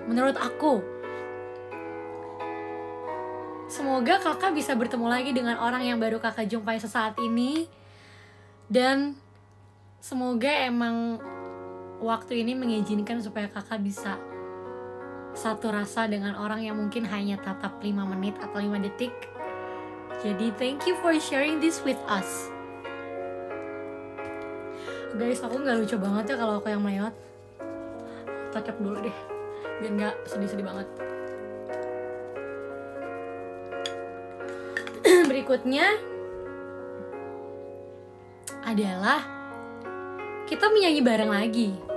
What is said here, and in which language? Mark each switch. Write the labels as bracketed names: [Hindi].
[Indonesian] Menurut aku, semoga kakak bisa bertemu lagi dengan orang yang baru kakak jumpai sesaat ini. Dan semoga emang waktu ini mengizinkan supaya kakak bisa satu rasa dengan orang yang mungkin hanya tatap 5 menit atau 5 detik. [English] Jadi thank you for sharing this with us. [Indonesian] Guys, aku gak lucu banget ya kalau aku yang mayot. Tatap dulu deh biar gak sedih-sedih banget. Berikutnya adalah kita menyanyi bareng lagi.